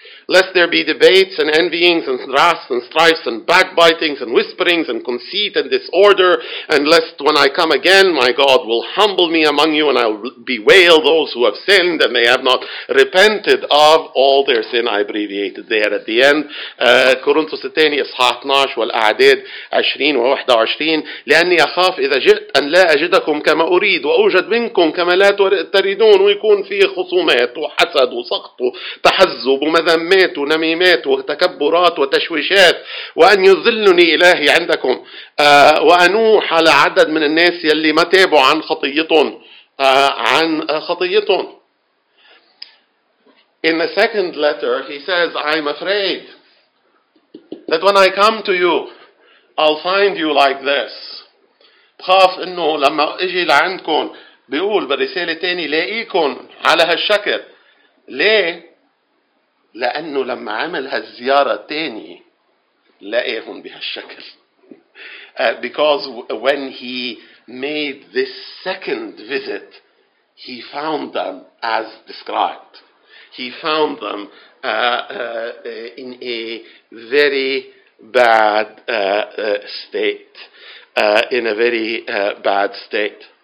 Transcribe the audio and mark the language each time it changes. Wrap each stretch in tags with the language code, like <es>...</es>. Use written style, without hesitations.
<en>lest there be debates and envyings and wraths and strifes and backbitings and whisperings and conceit and disorder, and lest when I come again, my God will humble me among you, and I'll bewail those who have sinned and they have not repented of all their sin. I abbreviated there at the end.</en> <ar>Corinthians 10, 12, والأعداد 20 و21 لأني أخاف إذا جئت أن لا أجدكم كما أريد وأوجد منكم كما لا تريدون ويكون فيه خصومات وحسد وسقط وتحزب ومذمات ونميمات وتكبرات وتشويشات وأن يذلني إلهي عندكم وأنوح على عدد من الناس يلي ما تابوا عن خطيتهم عن خطيتهم.</ar> <en>In the second letter he says, I'm afraid that when I come to you, I'll find you like this.</en> <ar>بخاف إنه لما أجي لعندكم بيقول بالرسالة تاني لاقيكم على هالشكل. ليه؟ لأنه لما عمل هالزيارة تاني لاقيهم بهالشكل.</ar> <en>Because when he made this second visit, he found them as described. He found them in a very bad state, in a very bad state.</en>